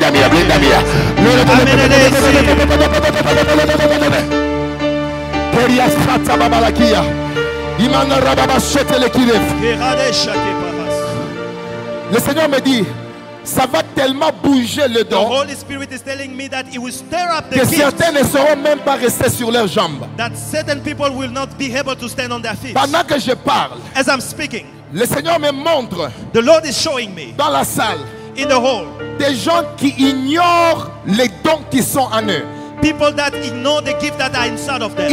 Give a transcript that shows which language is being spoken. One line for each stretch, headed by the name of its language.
French: par la radia balasa. Le Seigneur me dit, ça va tellement bouger le don.
English: The Holy Spirit is telling me that it will stir up the gifts.
French: Que certains ne seront même pas restés sur leurs jambes.
English: That certain people will not be able to stand on their feet.
French: Pendant que je parle,
English: as I'm speaking,
French: le Seigneur me montre.
English: The Lord is showing me.
French: Dans la salle,
English: in the hall,
French: des gens qui ignorent les dons qui sont en eux.
English: People that ignore the gift that are inside of them.